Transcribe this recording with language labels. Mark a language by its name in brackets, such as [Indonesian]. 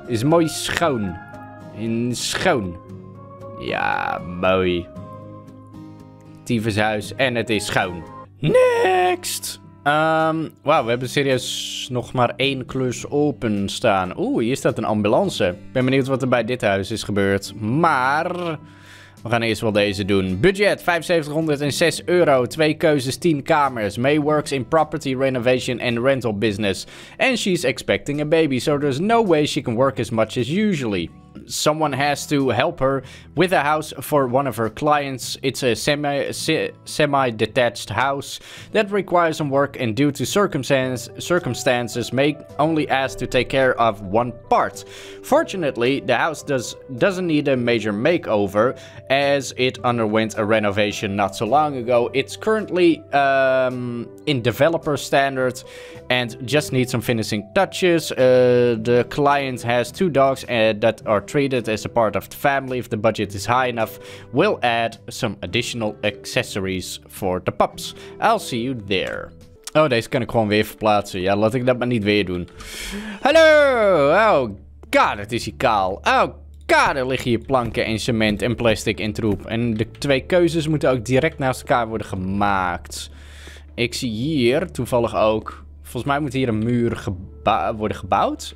[Dutch] Is mooi schoon. In schoon. Ja, mooi. Tyfushuis. En het is schoon. [English] Next! [Dutch] Wauw, we hebben serieus nog maar één klus openstaan. Oeh, hier staat een ambulance. Ik ben benieuwd wat er bij dit huis is gebeurd. Maar we gaan eerst wel deze doen. Budget, 7506 euro. Twee keuzes, 10 kamers. [English] May works in property renovation and rental business. And she's expecting a baby, so there's no way she can work as much as usually. Someone has to help her with a house for one of her clients. It's a semi-detached house that requires some work and due to circumstances may only ask to take care of one part. Fortunately, the house doesn't need a major makeover as it underwent a renovation not so long ago. It's currently in developer standard and just needs some finishing touches. The client has two dogs that are treated as a part of the family. If the budget is high enough, we'll add some additional accessories for the pups. I'll see you there. [Dutch] Oh, deze kan ik gewoon weer verplaatsen. Ja, laat ik dat maar niet weer doen. Hallo! Oh god, het is hier kaal. Oh god, er liggen hier planken en cement en plastic en troep. En de twee keuzes moeten ook direct naast elkaar worden gemaakt. Ik zie hier toevallig ook, volgens mij moet hier een muur worden gebouwd.